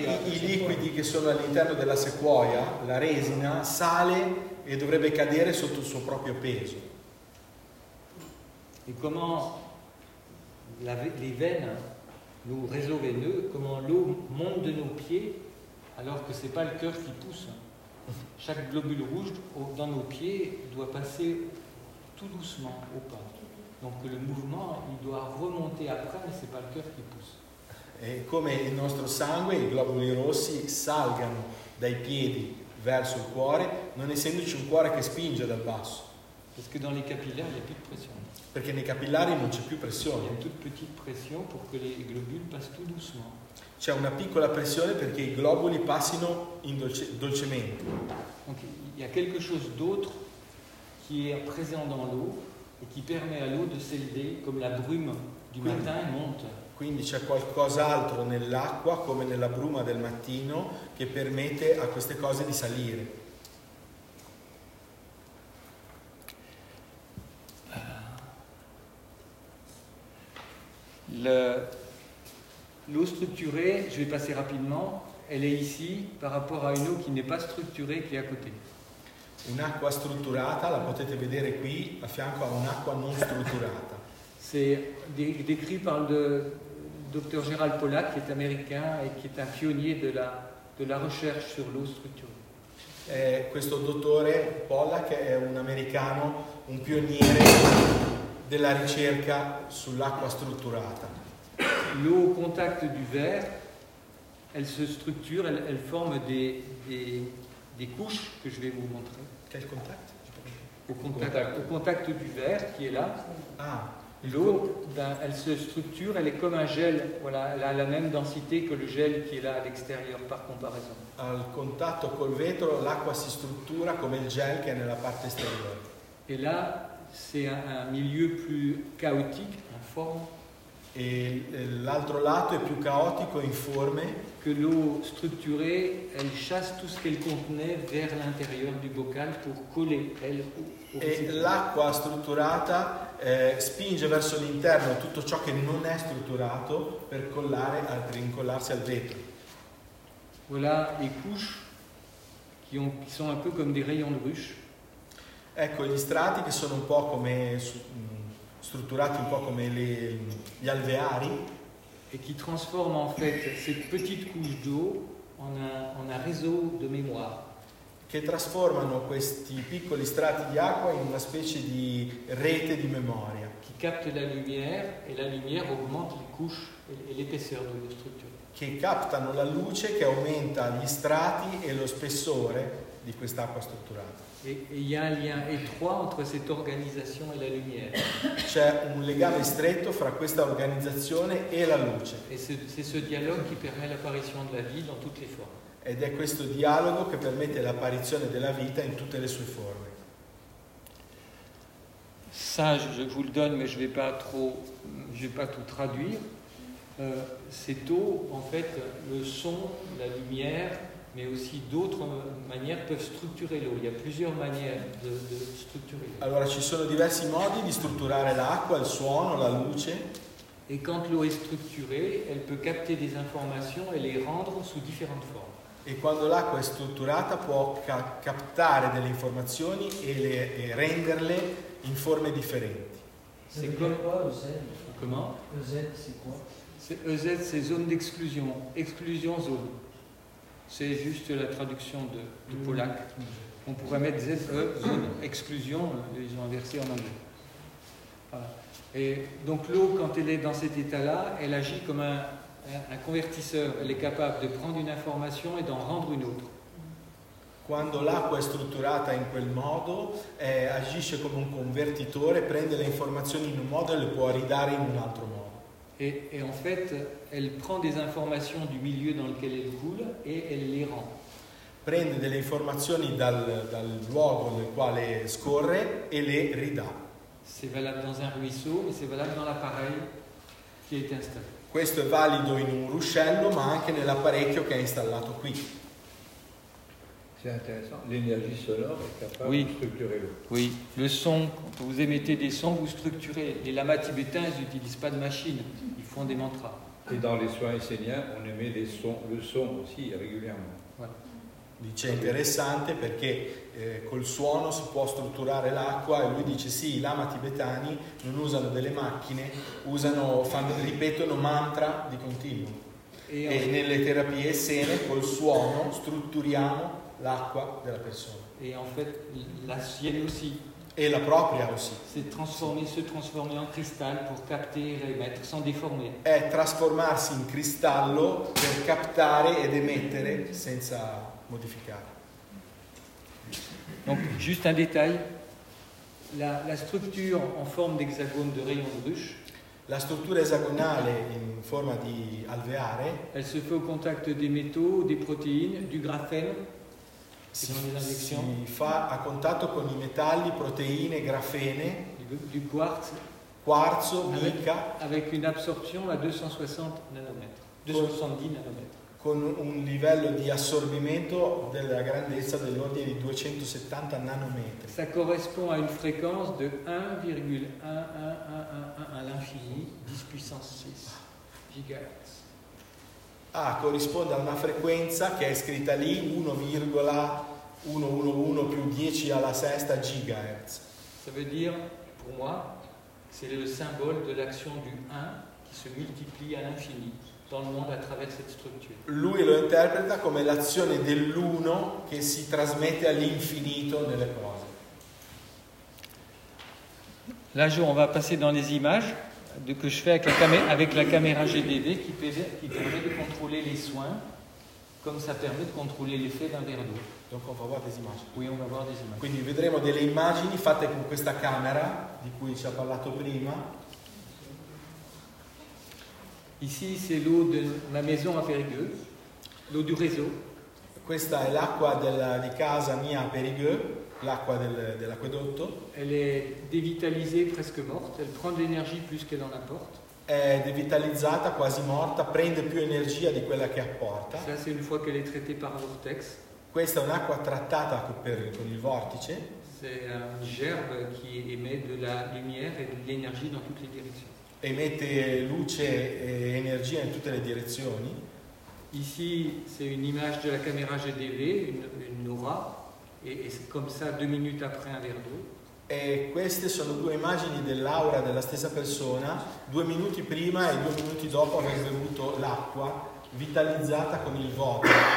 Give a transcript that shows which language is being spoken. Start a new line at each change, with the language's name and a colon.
Italian: I liquidi che sono all'interno della sequoia, la resina, sale e dovrebbe cadere sotto il suo proprio peso.
French: Et comment les veines, nos réseaux veineux, comment l'eau monte de nos pieds alors que c'est pas le cœur qui pousse? Chaque globule rouge dans nos pieds doit passer tout doucement au pas. Donc le mouvement, il doit remonter après, mais c'est pas le cœur qui pousse.
Italian: Et comme il nostro sangue, i globuli rossi salgano dai piedi verso il cuore, non essendoci un cuore che spinge dal basso.
French: Parce que dans les capillaires, il y a plus de pression.
Italian: Perché nei capillari non c'è più pressione.
French: Il y a une toute petite pression pour que les globules passent tout doucement.
Italian: C'è una piccola pressione perché i globuli passino dolcemente.
French: Donc il y a quelque chose d'autre qui est présent dans l'eau et qui permet à l'eau de s'élever comme la brume du matin monte.
Italian: Quindi c'è qualcos'altro nell'acqua come nella bruma del mattino che permette a queste cose di salire.
French: L'eau structurée, je vais passer rapidement, elle est ici par rapport à une eau qui n'est pas structurée qui est à côté.
Italian: Un'acqua strutturata la potete vedere qui a fianco a un'acqua non strutturata.
French: C'est décrit par le docteur Gérald Pollack qui est américain et qui est un pionnier de la recherche sur l'eau structurée.
Italian: Questo dottore Pollack è un americano, un pioniere della ricerca sull'acqua strutturata.
French: L'eau au contact du verre, elle se structure, elle forme des couches que je vais vous montrer. Quel contact? Au contact du verre qui est là. Ah. L'eau, ben, elle se structure, elle est comme un gel, voilà, elle a la même densité que le gel qui est là à l'extérieur par comparaison.
Italian: Al contatto col vetro, l'acqua si struttura come il gel che è nella parte esterna.
French: Et là, c'est un milieu plus chaotique, en forme.
Italian: Et l'altro lato è più caotico in forme.
French: Que l'eau structurée, elle chasse tout ce qu'elle contenait vers l'intérieur du bocal pour coller elle au bocal.
Italian: Et l'acqua strutturata spinge verso l'interno tutto ciò che non è strutturato per collare, per incollarsi al vetro.
French: Voilà les couches qui sont un peu comme des rayons de ruche.
Italian: Ecco gli strati che sono un po' come strutturati un po' come gli alveari.
French: Et qui transforme en fait cette petite couche d'eau en un réseau de mémoire.
Italian: Che trasformano questi piccoli strati di acqua in una specie di rete di memoria.
French: Qui capte la lumière et la lumière augmente les couches et l'épaisseur de la structure.
Italian: Che captano la luce che aumenta gli strati e lo spessore di quest'acqua strutturata.
French: Et il y a un lien étroit entre cette organisation et la lumière.
Italian: C'è un legame stretto fra questa organizzazione e la luce.
French: Et c'est ce dialogue qui permet l'apparition de la vie dans toutes les formes.
Italian: Ed è questo dialogo che permette l'apparizione della vita in tutte le sue forme.
French: Ça, je vous le donne, mais je vais pas tout traduire. Cette eau, en fait, le son, la lumière, mais aussi d'autres manières peuvent structurer l'eau. Il y a plusieurs manières de structurer. Allora ci sono diversi modi di strutturare l'acqua, il suono, la luce. Et quand l'eau est structurée, elle peut capter des informations et les rendre sous différentes formes. E quando l'acqua è strutturata può captare delle informazioni e renderle in forme differenti. C'est quoi EZ? Comment? EZ c'est quoi? C'est zone d'exclusion, exclusion zone. C'est juste la traduction de Pollack. On pourrait mettre ZE, zone exclusion, ils ont inversé en anglais. Voilà. Et donc l'eau, quand elle est dans cet état-là, elle agit comme un convertisseur. Elle est capable de prendre une information et d'en rendre une autre. Quando l'acqua è strutturata in quel modo, agisce come un convertitore, prende le informazioni in un modo e le può ridare in un altro modo. Et en fait, elle prend des informations du milieu dans lequel elle coule et elle les rend. Prende delle informazioni dal luogo nel quale scorre e le ridà. C'est valable dans un ruisseau, mais c'est valable dans l'appareil qui est installé. Questo è valido in un ruscello, ma anche nell'apparecchio che è installato qui. C'est intéressant. L'énergie sonore est capable de structurer l'eau. Oui, le son, quand vous émettez des sons, vous structurez. Les lamas tibétains, ils n'utilisent pas de machine, ils font des mantras. Et dans les soins esséniens, on émet les sons, le son aussi régulièrement. Voilà.
Italian: Dice interessante perché col suono si può strutturare l'acqua e lui dice sì, i lama tibetani non usano delle macchine, ripetono mantra di continuo. E nelle terapie essene col suono strutturiamo l'acqua della persona.
French: E en fait la sienne aussi.
Italian: E la propria aussi. Se trasformare in cristallo per captare e emettere senza deformare. È trasformarsi in cristallo per captare ed emettere senza modificare.
French: Donc juste un détail, la structure en forme d'hexagone de rayon de ruche.
Italian: La struttura esagonale in forma di alveare.
French: Elle se fait au contact des métaux, des protéines, du graphène.
Italian: Si fa a contatto con i metalli, proteine, grafene.
French: Du quartz.
Italian: Quarzo, mica.
French: Avec une absorption à 270 nanometri.
Italian: Con un livello di assorbimento della grandezza dell'ordine di 270 nanometri.
French: Ça correspond à une fréquence de 1,11111 à l'infini, 10 puissance 6 gigahertz.
Italian: Ah, corrisponde a una frequenza che è scritta lì, 1,111 più 10 alla sesta gigahertz.
French: Ça veut dire, pour moi, c'est le symbole de l'action du 1 qui se multiplie à l'infini. Dans le monde à travers cette structure.
Italian: Lui lo interpreta come l'azione dell'uno che si trasmette all'infinito nelle cose.
French: Là, on va passer dans les images de que je fais avec la caméra GDV qui permet de contrôler les soins comme ça permet de contrôler l'effet d'un verre d'eau. Donc on va voir des images. Oui, on va voir des images.
Italian: Quindi vedremo delle immagini fatte con questa camera di cui ci ha parlato prima.
French: Ici c'est l'eau de ma maison à Périgueux, l'eau du réseau.
Italian: Questa è l'acqua di casa mia a Périgueux, l'acqua dell'acquedotto.
French: Elle est dévitalisée, presque morte, elle prend de l'énergie plus qu'elle en apporte.
Italian: È dévitalizzata, quasi morta, prende più energia di quella che apporta.
French: Ça c'est une fois qu'elle est traitée par un vortex.
Italian: Questa è un'acqua trattata con il vortice.
French: C'est un gerbe qui émet de la lumière et de l'énergie dans toutes les directions.
Italian: Emette luce e energia in tutte le direzioni.
French: Ici c'est une image de la caméra GDV, une aura, et c'est comme ça deux minutes après un verre d'eau.
Italian: E queste sono due immagini dell'aura della stessa persona, due minuti prima e due minuti dopo aver bevuto l'acqua vitalizzata con il vodka.